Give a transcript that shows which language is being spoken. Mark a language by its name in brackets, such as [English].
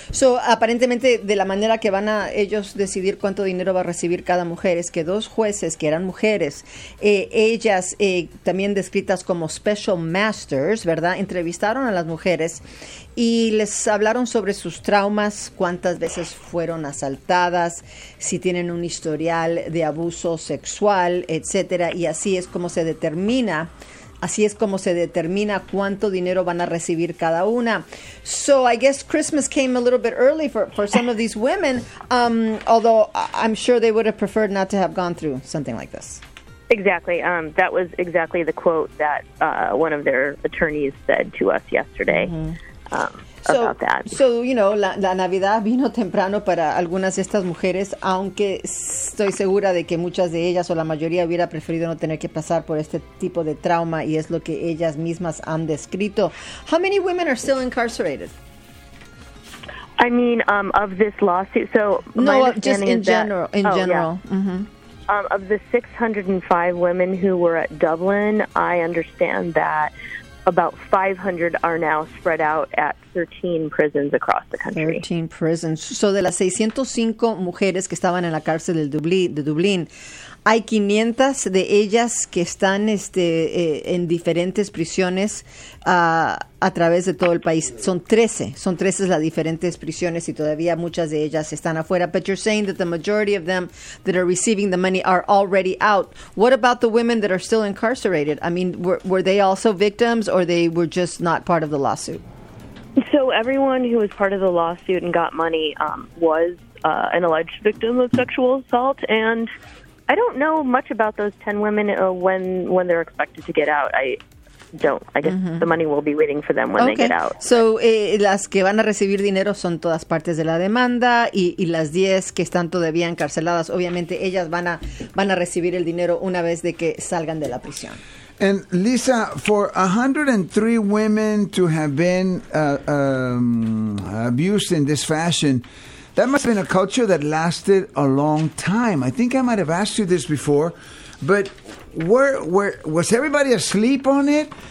[Spanish] So, aparentemente, de la manera que van a ellos decidir cuánto dinero va a recibir cada mujer es que dos jueces, que eran mujeres, ellas también descritas como special masters, ¿verdad?, entrevistaron a las mujeres y les hablaron sobre sus traumas, cuántas veces fueron asaltadas, si tienen un historial de abuso sexual, etcétera. Y así es como se determina. Así es como se determina cuánto dinero van a recibir cada una. [English] So I guess Christmas came a little bit early for some of these women, although I'm sure they would have preferred not to have gone through something like this. Exactly. That was exactly the quote that one of their attorneys said to us yesterday. Mm-hmm. So, you know, [Spanish] la Navidad vino temprano para algunas de estas mujeres, aunque estoy segura de que muchas de ellas o la mayoría hubiera preferido no tener que pasar por este tipo de trauma, y es lo que ellas mismas han descrito. [English] How many women are still incarcerated? I mean, of this lawsuit, so no, my understanding just in is general, that, in general. Yeah. Mm-hmm. Of the 605 women who were at Dublin, I understand that about 500 are now spread out at 13 prisons across the country. 13 prisons. [Spanish] So de las 605 mujeres que estaban en la cárcel de Dublín, hay 500 de ellas que están en diferentes prisiones a través de todo el país. Son 13 las diferentes prisiones y todavía muchas de ellas están afuera. [English] But you're saying that the majority of them that are receiving the money are already out. What about the women that are still incarcerated? I mean, were they also victims, or they were just not part of the lawsuit? So everyone who was part of the lawsuit and got money was an alleged victim of sexual assault, and I don't know much about those 10 women when they're expected to get out. I guess mm-hmm. the money will be waiting for them when okay. they get out. [Spanish] So las que van a recibir dinero son todas partes de la demanda, y las 10 que están todavía encarceladas, obviamente ellas van a recibir el dinero una vez de que salgan de la prisión. [English] And Lisa, for 103 women to have been abused in this fashion, that must have been a culture that lasted a long time. I think I might have asked you this before, but was everybody asleep on it?